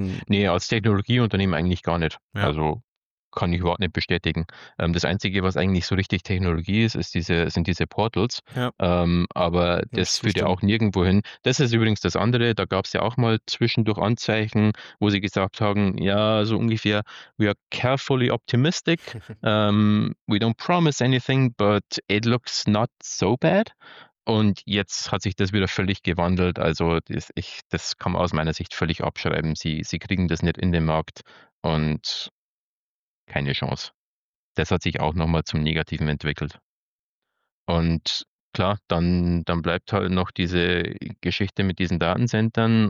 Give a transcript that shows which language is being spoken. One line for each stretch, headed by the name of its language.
German: Als Technologieunternehmen eigentlich gar nicht. Ja. Also kann ich überhaupt nicht bestätigen. Das Einzige, was eigentlich so richtig Technologie ist, sind diese Portals. Ja. Aber das führt ja auch nirgendwo hin. Das ist übrigens das andere. Da gab es ja auch mal zwischendurch Anzeichen, wo sie gesagt haben, ja, so ungefähr,
English: we are carefully optimistic. we don't promise anything, but it looks not so bad.
German: Und jetzt hat sich das wieder völlig gewandelt. Also das kann man aus meiner Sicht völlig abschreiben. Sie kriegen das nicht in den Markt und keine Chance. Das hat sich auch nochmal zum Negativen entwickelt. Und klar, dann bleibt halt noch diese Geschichte mit diesen Datencentern.